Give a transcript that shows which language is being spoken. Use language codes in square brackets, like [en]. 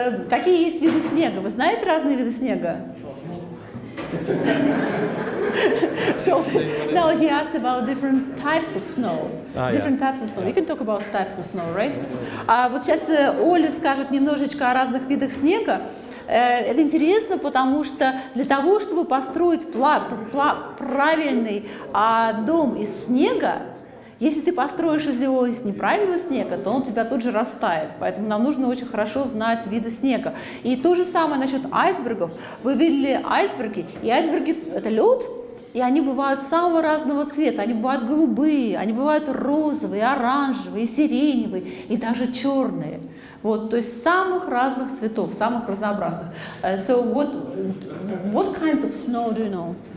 [ru] Какие есть виды снега? Вы знаете разные виды снега? [en] No, he asked about different types of snow. Different types of snow. You can talk about types of snow, right? [ru] Вот сейчас Оля скажет немножечко о разных видах снега. Это интересно, потому что для того, чтобы построить правильный дом из снега, если ты построишь из него из неправильного снега, то он у тебя тут же растает. Поэтому нам нужно очень хорошо знать виды снега. И то же самое насчет айсбергов. Вы видели айсберги, и айсберги – это лед, и они бывают самого разного цвета. Они бывают голубые, они бывают розовые, оранжевые, сиреневые и даже черные. Вот, то есть самых разных цветов, самых разнообразных. [en] So what kinds of snow do you know?